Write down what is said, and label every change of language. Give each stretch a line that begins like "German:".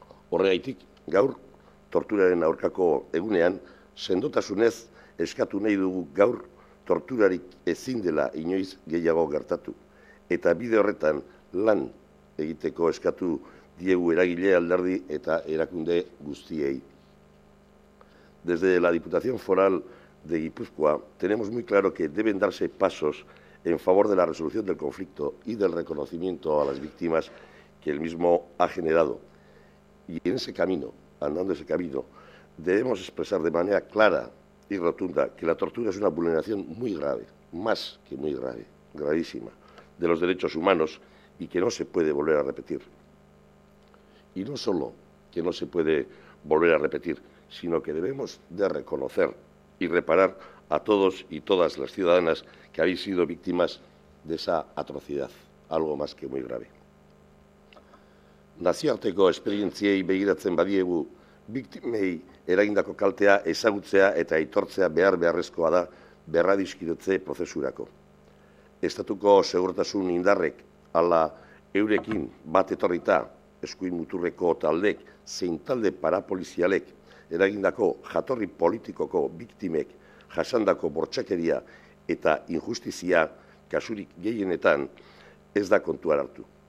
Basque: Horregaitik, gaur torturaren aurkako egunean sendotasunez eskatu nahi dugu gaur torturarik ezin dela inoiz gehiago gertatu. Eta bide horretan lan egiteko eskatu diegu eragile alderdi eta erakunde guztiei.
Spanish: Desde la Diputación Foral de Guipúzcoa, tenemos muy claro que deben darse pasos en favor de la resolución del conflicto y del reconocimiento a las víctimas que el mismo ha generado. Y en ese camino, andando ese camino, debemos expresar de manera clara y rotunda que la tortura es una vulneración muy grave, más que muy grave, gravísima, de los derechos humanos y que no se puede volver a repetir. Y no solo que no se puede volver a repetir, sino que debemos de reconocer y reparar a todos y todas las ciudadanas que habéis sido víctimas de esa atrocidad, algo más que muy grave.
Basque: Nazioarteko esperientziei begiratzen badiegu, biktimei eragindako kaltea ezagutzea eta aitortzea behar beharrezkoa da berradiskidetze prozesurako. Estatuko segurtasun indarrek, ala eurekin bat etorrita, eskuin muturreko taldek, zein talde parapolizialek, eragindako jatorri politikoko biktimek, jasandako bortxakeria eta injustizia kasurik gehienetan ez da kontuan hartu.